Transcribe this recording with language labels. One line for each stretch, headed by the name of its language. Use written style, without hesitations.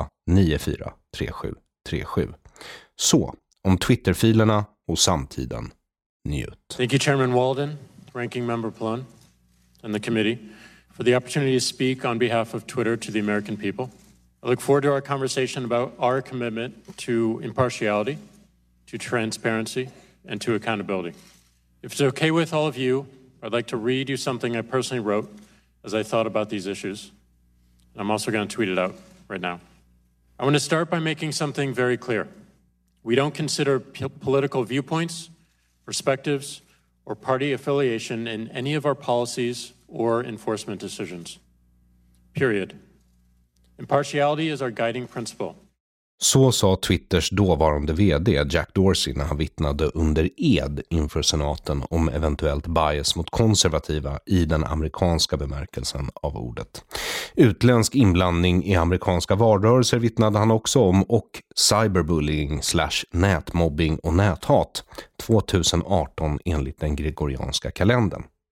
Swedish: 0768-943737. Så, om Twitter-filerna och samtiden. Njut.
English: Thank you, Chairman Walden, Ranking Member Pallone, and the committee for the opportunity to speak on behalf of Twitter to the American people. I look forward to our conversation about our commitment to impartiality, to transparency, and to accountability. If it's okay with all of you, I'd like to read you something I personally wrote as I thought about these issues. I'm also going to tweet it out right now. I want to start by making something very clear. We don't consider political viewpoints, perspectives, or party affiliation in any of our policies or enforcement decisions. Period. Impartiality is our guiding principle.
Swedish: Så sa Twitters dåvarande vd Jack Dorsey när han vittnade under ed inför senaten om eventuellt bias mot konservativa i den amerikanska bemärkelsen av ordet. Utländsk inblandning i amerikanska valrörelser vittnade han också om, och cyberbullying / nätmobbing och näthat 2018 enligt den gregorianska kalendern.